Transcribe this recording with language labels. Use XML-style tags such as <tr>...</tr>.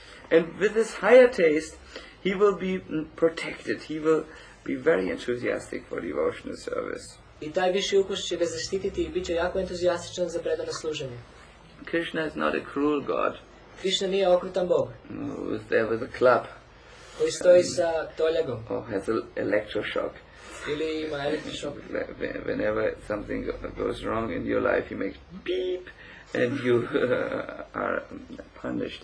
<en>And with this higher taste, he will be protected. He will be very enthusiastic for devotional service.</en> <bs>I taj viši ukus će ga zaštititi i bit će jako entuzijastičan za predano služenje.</bs> <en>Krishna is not a cruel god.</en> <bs>Krishna nije okrutan bog.</bs> <en>Who's there with a club?</en> <bs>Koji stoji sa toljagom.</bs> <en>Oh, has an electroshock.</en> <bs>Ili ima electroshock.</bs> <en>Whenever something goes wrong in your life, you make beep and you are punished.</en>